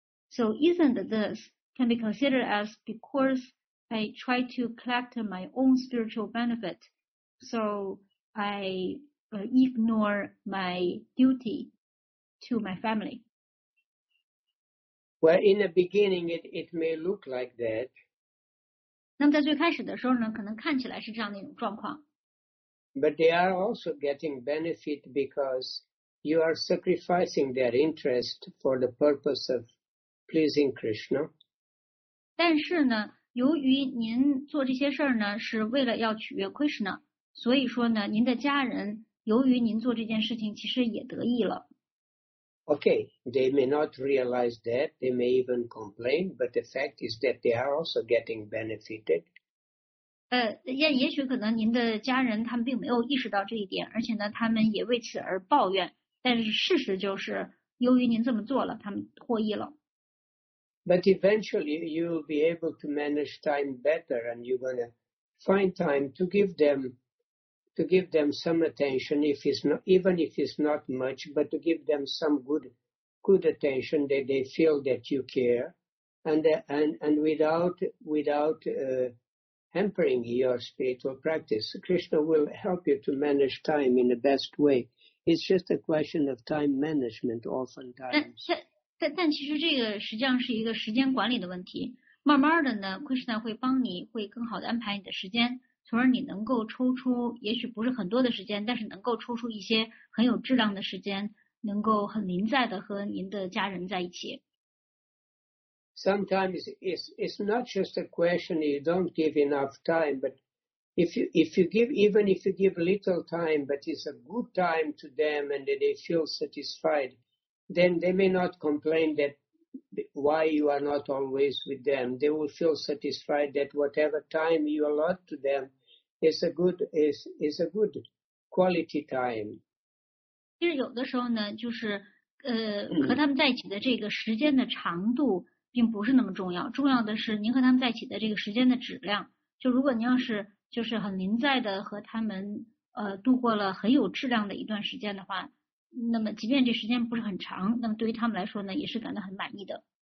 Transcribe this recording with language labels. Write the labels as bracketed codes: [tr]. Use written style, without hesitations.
[en] So isn't this can be considered as because I try to collect my own spiritual benefit, so I ignore my duty to my family? Well, in the beginning, it may look like that. [zh] 那么在最开始的时候呢，可能看起来是这样的一种状况。 [en] But they are also getting benefit because you are sacrificing their interest for the purpose of pleasing Krishna. [zh] 但是呢，由于您做这些事儿呢，是为了要取悦 Krishna， 所以说呢，您的家人由于您做这件事情，其实也得益了。 [en] Okay, they may not realize that, they may even complain, but the fact is that they are also getting benefited. [zh] 也许可能您的家人他们并没有意识到这一点，而且呢，他们也为此而抱怨，但是事实就是，由于您这么做了，他们获益了。 [en] But eventually you will be able to manage time better and you're going to find time to give them some attention, if it's not, even if it's not much, but to give them some good attention, that they feel that you care, and without hampering your spiritual practice. Krishna will help you to manage time in the best way. It's just a question of time management oftentimes. [zh] 但其实这个实际上是一个时间管理的问题。慢慢的呢， Krishna 会帮你，会更好的安排你的时间。从而你能够抽出，也许不是很多的时间，但是能够抽出一些很有质量的时间，能够很临在的和您的家人在一起。 [en] Sometimes it's not just a question you don't give enough time, but if you give little time, but it's a good time to them and they feel satisfied, then they may not complain that why you are not always with them. They will feel satisfied that whatever time you allot to them is a good quality time. [zh] 其实有的时候呢，就是和他们在一起的这个时间的长度并不是那么重要，重要的是您和他们在一起的这个时间的质量。就如果您要是就是很临在的和他们度过了很有质量的一段时间的话，那么即便这时间不是很长，那么对于他们来说呢，也是感到很满意的。